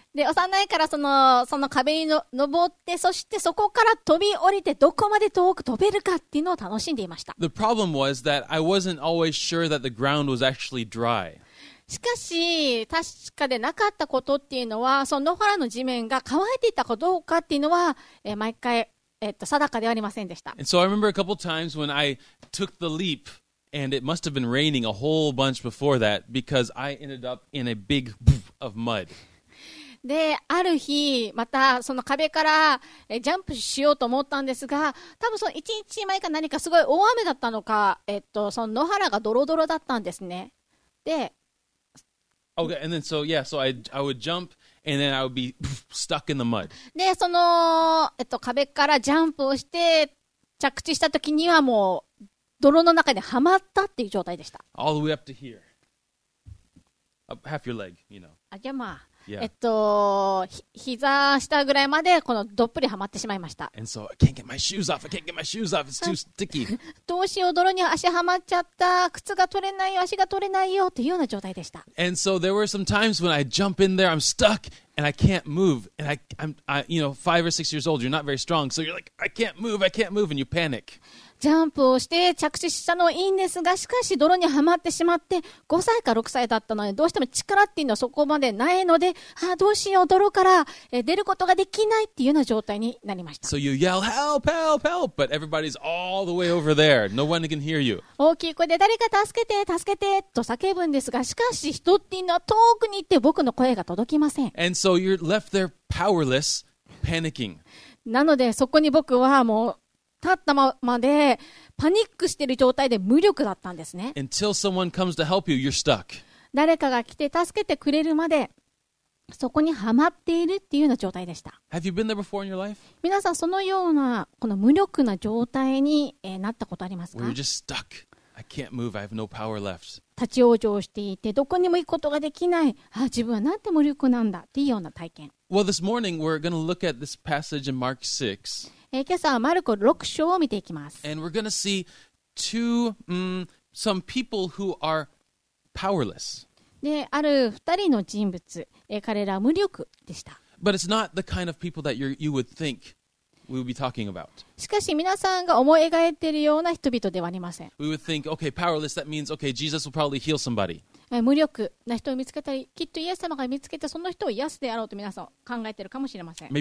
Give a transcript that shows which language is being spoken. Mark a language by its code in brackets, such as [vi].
[ja] で、幼いからその壁に登って、そしてそこから飛び降りてどこまで遠く飛べるかっていうのを楽しんでいました。 [en] The problem was that I wasn't always sure that the ground was actually dry. [ja] しかし確かでなかったことっていうのは、その野原の地面が乾いていたかどうかっていうのは、毎回定かではありませんでした。 [en] And so I remember a couple times when I took the leap And it must have been raining a whole bunch before that because I ended up in a big of mud. [ja] で、ある日、またその壁からジャンプしようと思ったんですが、多分その一日前か何かすごい大雨だったのか、その野原がドロドロだったんですね。で、 [en] Okay, and then so, yeah, so I would jump and then I would be stuck in the mud. [ja] で、その、壁からジャンプをして着地した時にはもう泥の中にはまったっていう状態でした。 [en] All the way up to here. Up half your leg, you know. [ja] あ、じゃあまあ。Yeah. 膝下ぐらいまでこのどっぷりはまってしまいました。 [en] And so, I can't get my shoes off. I can't get my shoes off. It's too sticky. [ja] どうしよう、泥に足はまっちゃった。靴が取れないよ、足が取れないよっていうような状態でした。 [en] And so there were some times when I jump in there, I'm stuck and I can't move. And I'm you know, 5 or 6 years old, you're not very strong. So you're like, I can't move, and you panic. [ja] ジャンプをして着地したのはいいんですが、しかし泥にはまってしまって、5歳か6歳だったので、どうしても力っていうのはそこまでないので、ああ、どうしよう、泥から出ることができないっていうような状態になりました。 [en] So you yell, help, help, help, but everybody's all the way over there. No one can hear you. [ja] 大きい声で誰か助けて、助けてと叫ぶんですが、しかし人っていうのは遠くに行って僕の声が届きません。 [en] And so you're left there powerless, panicking. [ja] なのでそこに僕はもう、立ったままでパニックしている状態で無力だったんですね。 [en] Until someone comes to help you, you're stuck. [ja] 誰かが来て助けてくれるまでそこにはまっているっていうような状態でした。 [en] Have you been there before in your life? [ja] 皆さんそのようなこの無力な状態に、なったことありますか？ [en] We're just stuck. I can't move. I have no power left. [ja] 立ち往生していてどこにも行くことができない。あ、自分はなんて無力なんだっていうような体験。 [en] Well, this morning we're going to look at this passage in Mark 6. [ja] 今朝はマルコ6章を見ていきます。 [en] And we're gonna see two, some people who are powerless. [ja] で、ある二人の人物、彼らは無力でした。 [en] But it's not the kind of people that you would think we would be talking about. [ja] しかし皆さんが思い描いているような人々ではありません。 [en] We would think, okay, powerless, that means, okay, Jesus will probably heal somebody. [ja] 無力な人を見つけたり、きっとイエス様が見つけてその人を癒すであろうと皆さん考えているかもしれません。